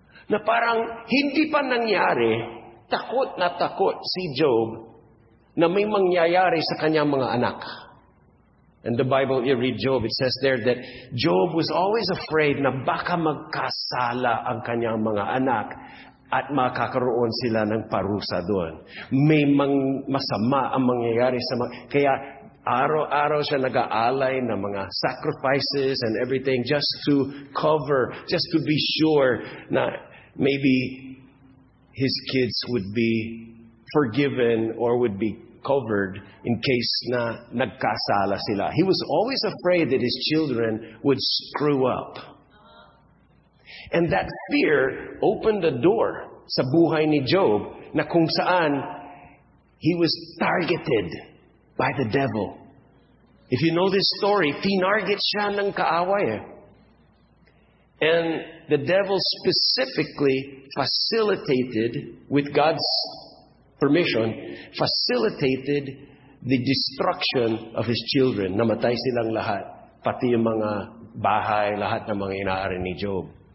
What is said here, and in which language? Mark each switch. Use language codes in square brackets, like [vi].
[tl] Na parang hindi pa nangyari, takot na takot si Job na may mangyayari sa kanyang mga anak. [en] And the Bible, you read Job, it says there that Job was always afraid [tl] na baka magkasala ang kanyang mga anak at makakaroon sila ng parusa doon. May masama ang mangyayari sa mga... Kaya araw-araw siya nag-aalay ng mga [en] sacrifices and everything just to cover, just to be sure na maybe his kids would be forgiven or would be covered in case [tl] na nagkasala sila. [en] He was always afraid that his children would screw up. And that fear opened the door [tl] sa buhay ni Job na kung saan [en] he was targeted by the devil. If you know this story, [tl] tinarget siya ng kaaway. [en] And the devil specifically facilitated, with God's permission, facilitated the destruction of his children. [tl] Namatay silang lahat, pati yung mga bahay, lahat ng mga inaari ni Job.